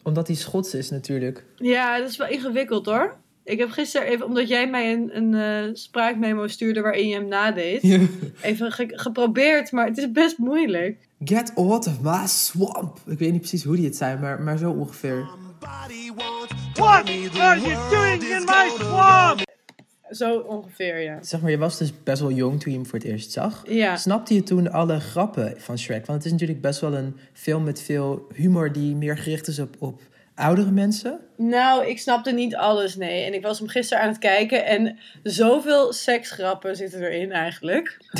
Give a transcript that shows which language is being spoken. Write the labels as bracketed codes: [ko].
[nl] Omdat hij Schots is natuurlijk. Ja, dat is wel ingewikkeld hoor. Ik heb gisteren even, omdat jij mij een spraakmemo stuurde waarin je hem nadeed. Even geprobeerd, maar het is best moeilijk. [en] Get out of my swamp. [nl] Ik weet niet precies hoe die het zijn, maar zo ongeveer. [en] What are you doing in my swamp? [nl] Zo ongeveer, ja. Zeg maar, je was dus best wel jong toen je hem voor het eerst zag. Ja. Snapte je toen alle grappen van Shrek? Want het is natuurlijk best wel een film met veel humor die meer gericht is op oudere mensen? Nou, ik snapte niet alles, nee. En ik was hem gisteren aan het kijken en zoveel seksgrappen zitten erin eigenlijk.